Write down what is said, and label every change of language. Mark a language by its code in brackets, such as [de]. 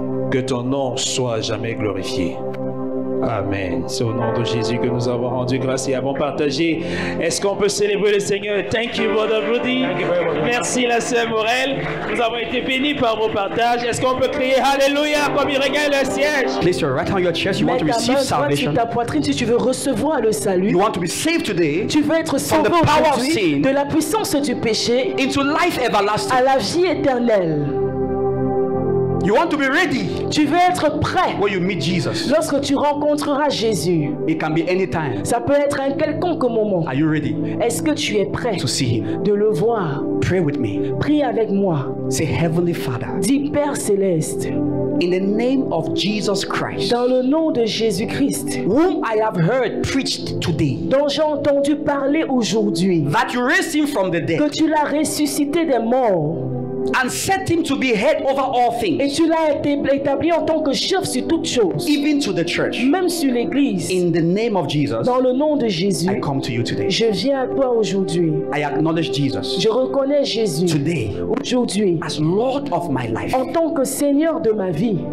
[fr] Que ton nom soit jamais glorifié. Amen. C'est au nom de Jésus que nous avons rendu grâce et avons partagé. Est-ce qu'on peut célébrer le Seigneur? [en] Thank you, Brother Rudy. [fr] Merci, la sœur Morel. Nous avons été bénis par vos partages. Est-ce qu'on peut crier Alléluia comme il regagne le siège? [en] Please, sir, right on your chest, you want to receive salvation. [fr] Ta poitrine, si tu veux recevoir le salut. [en] You want to be saved today. [fr] Tu veux être sauvé aujourd'hui de la puissance du péché. [en] Into life everlasting. [fr] À la vie éternelle. [en] You want to be ready. [fr] Tu veux être prêt. [en] When you meet Jesus. [fr] Lorsque tu rencontreras Jésus. [en] It can be anytime. [fr] Ça peut être un quelconque moment. [en] Are you ready? [fr] Est-ce que tu es prêt? [en] To see him. [fr] De le voir. [en] Pray with me. [fr] Prie avec moi. [en] Say, Heavenly Father. [fr] Dis Père céleste. [en] In the name of Jesus Christ. [fr] Dans le nom de Jésus Christ. [en] Whom I have heard preached today. [fr] Dont j'ai entendu parler aujourd'hui. [en] That you raised him from the dead. [fr] Que tu l'as ressuscité des morts. [en] And set him to be head over all things. [fr] Et tu l'as établi en tant que chef sur toutes choses. [en] Even to the church. [fr] Même sur l'église. [en] In the name of Jesus. [fr] Dans le nom de Jésus. [en] I come to you today. [fr] Je viens à toi aujourd'hui. [en] I acknowledge Jesus. [fr] Je reconnais Jésus. [en] Today. [fr] Aujourd'hui. [en] As Lord of my life. [fr] En tant que Seigneur de ma vie.